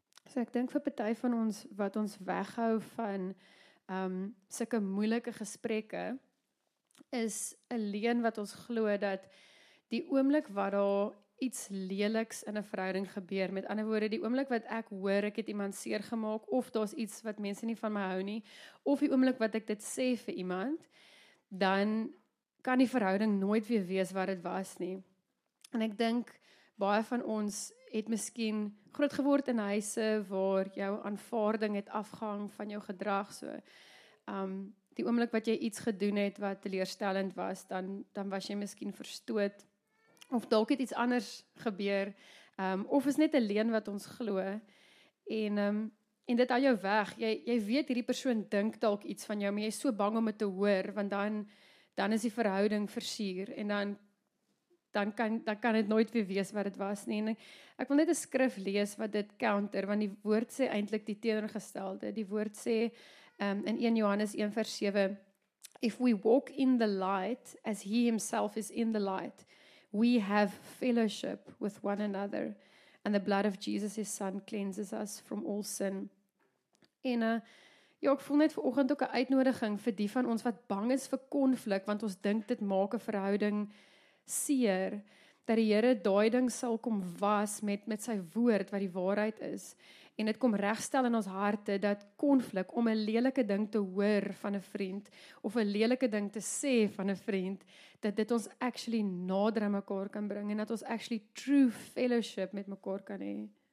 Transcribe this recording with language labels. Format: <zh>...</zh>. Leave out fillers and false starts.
<af>So ek dink vir party van ons wat ons weghou van sulke moeilike gesprekke is 'n leen wat ons glo dat die oomblik wat daar iets leliks in 'n verhouding gebeur, met ander woorde die oomblik wat ek hoor ek het iemand seer gemaak of daar's iets wat mense nie van my hou nie of die oomblik wat ek dit sê vir iemand, dan kan die verhouding nooit weer wees wat dit was nie. En ek dink baie van ons het miskien groot geword in huise waar jou aanvaarding het afgehang van jou gedrag. So, die oomblik wat jy iets gedoen het wat teleurstellend was, dan was jy miskien verstoot. Of dalk het iets anders gebeur. Of is net 'n leen wat ons glo. En dit hou jou weg. Jy weet hierdie persoon dink dalk iets van jou, maar jy is so bang om dit te hoor. Want dan is die verhouding versuur en dan kan dit nooit weer wees wat dit was nie. En ek wil net 'n skrif lees wat dit counter, want die woord sê eintlik die teenoorgestelde. Die woord sê in 1 Johannes 1 vers 7,</af> <en>if we walk in the light as he himself is in the light, we have fellowship with one another, and the blood of Jesus his son cleanses us from all sin.</en> <af>En ek voel net vanoggend ook 'n uitnodiging vir die van ons wat bang is vir konflik, want ons dink dit maak 'n verhouding seer, dat die Here daai ding sal kom was met sy woord wat die waarheid is en dit kom regstel in ons harte dat konflik om 'n lelike ding te hoor van 'n vriend of 'n lelike ding te sê van 'n vriend, dat dit ons actually nader aan mekaar kan bring en dat ons actually</af> <en>true fellowship</en> <af>met mekaar kan hê.</af>